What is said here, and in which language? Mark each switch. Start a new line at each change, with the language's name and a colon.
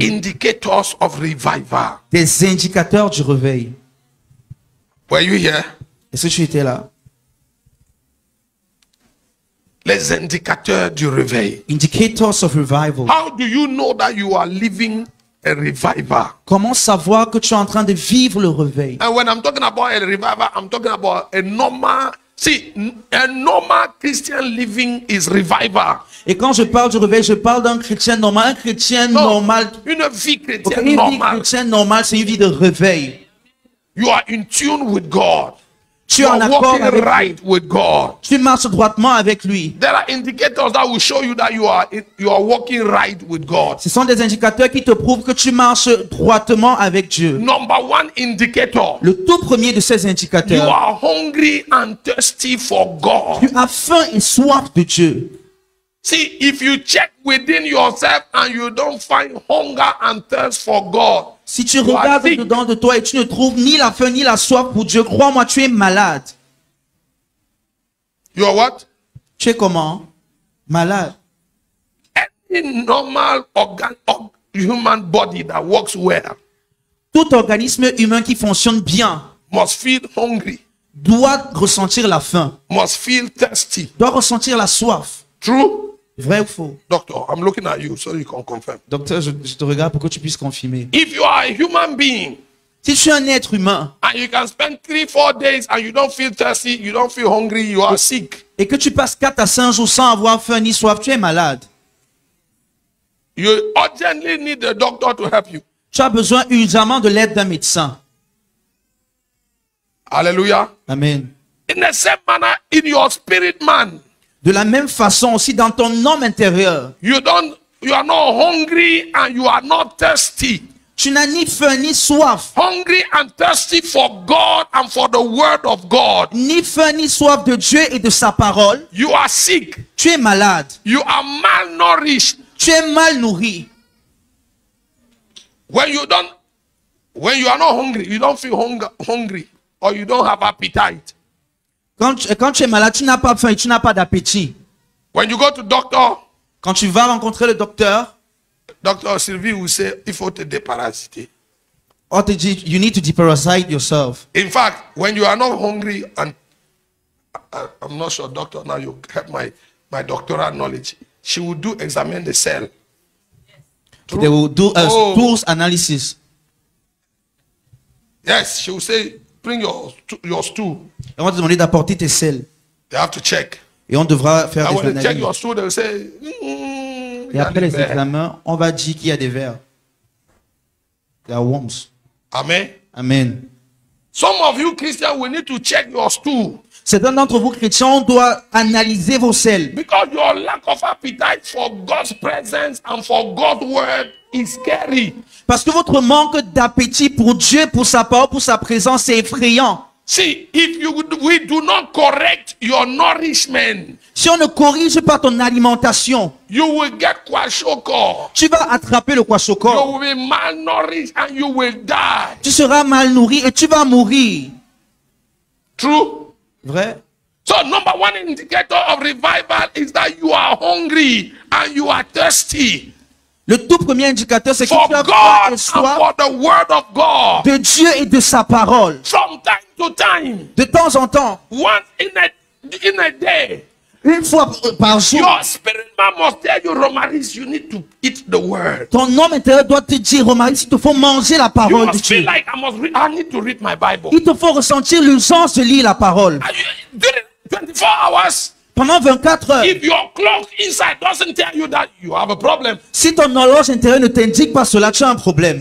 English: Indicators of revival.
French: Des indicateurs du réveil.
English: Were you here?
French: Est-ce que tu étais là? Les indicateurs du réveil.
English: Indicators of revival. How do you know that you are living a revival?
French: Comment savoir que tu es en train de vivre le réveil?
English: And when I'm talking about a revival, I'm talking about a normal. See, a normal Christian living is revival.
French: Et quand je parle du réveil, je parle d'un chrétien normal, un chrétien non, normal. Une vie chrétienne normale. Une vie chrétienne normale, c'est une vie de réveil.
English: You are in tune with God.
French: Tu es en accord avec
English: right
French: lui.
English: With God.
French: Tu marches droitement avec lui.
English: There are indicators that will show you that you are walking right with God.
French: Ce sont des indicateurs qui te prouvent que tu marches droitement avec Dieu.
English: Number one indicator.
French: Le tout premier de ces indicateurs.
English: You are hungry and thirsty for God.
French: Tu as faim et soif de Dieu.
English: See, if you check within yourself and you don't find hunger and thirst for God.
French: Si tu regardes dedans de toi et tu ne trouves ni la faim ni la soif pour Dieu, crois-moi, tu es malade.
English: You are what?
French: Tu es comment? Malade.
English: Any normal human body that works well.
French: Tout organisme humain qui fonctionne bien.
English: Must feel hungry.
French: Doit ressentir la faim.
English: Must feel thirsty.
French: Doit ressentir la soif.
English: True.
French: Vrai ou faux?
English: Doctor, I'm looking at you so you can confirm.
French: Docteur, je te regarde pour que tu puisses confirmer.
English: If you are a human being,
French: si tu es un être humain,
English: and you can spend 3-4 days and you don't feel thirsty, you don't feel hungry, you are sick.
French: Et que tu passes 4 à 5 jours sans avoir faim ni soif, tu es malade.
English: You urgently need the doctor to help you.
French: Tu as besoin urgentement de l'aide d'un médecin. Alléluia. Amen.
English: In the same manner in your spirit man.
French: De la même façon aussi dans ton homme intérieur.
English: You are not hungry and you are not thirsty.
French: Tu n'as ni faim ni soif.
English: Hungry and thirsty for God and for the word of God.
French: Ni faim ni soif de Dieu et de sa parole.
English: You are sick.
French: Tu es malade.
English: You are malnourished.
French: Tu es mal nourri.
English: When you are not hungry, you don't feel hungry or you don't have appetite.
French: Quand tu es malade, tu n'as pas faim et tu n'as pas d'appétit.
English: When you go to doctor,
French: quand tu vas rencontrer le docteur, Dr. Sylvie vous dit, il faut te déparasiter.
English: Or to, you need to deparasite yourself. In fact, when you are not hungry, and I'm not sure, doctor, now you have my doctoral knowledge, she will do examine the cell. They will do a stool analysis. Yes, she will say, bring your stool.
French: On va te demander d'apporter tes selles.
English: They have to check.
French: Et on devra faire des analyses.
English: Check your stool, they'll say,
French: et après les examens, on va dire qu'il y a des vers.
English: There are worms. Amen. Amen. Some of you Christians, we need to check your stool.
French: Certains d'entre vous chrétiens, on doit analyser vos selles.
English: Because your lack of appetite for God's presence and for God's word is scary.
French: Parce que votre manque d'appétit pour Dieu, pour sa parole, pour sa présence, c'est effrayant.
English: See, if we do not correct your nourishment,
French: si on ne corrige pas ton alimentation,
English: you will get kwashiorkor.
French: Tu vas attraper le kwashiorkor.
English: You will be malnourished and you will die.
French: Tu seras mal nourri et tu vas mourir.
English: True.
French: Vrai.
English: So number one indicator of revival is that you are hungry and you are thirsty.
French: Le tout premier indicateur, c'est
English: for
French: que tu as
English: God
French: soif
English: for the word of God.
French: De Dieu et de sa parole.
English: From time to time,
French: de temps en temps.
English: Once in a day,
French: une fois par jour.
English: Your spirit man must tell you, Romaris, you need to eat the word.
French: Ton homme intérieur doit te dire, Romaris, il te faut manger la parole
English: you
French: de Dieu.
English: Feel like I need to read my Bible.
French: Il te faut ressentir le sens de lire la parole. Pendant 24 heures.
English: If your clock inside doesn't tell you that you have a problem.
French: Si ton horloge intérieure ne t'indique pas cela, tu as un problème.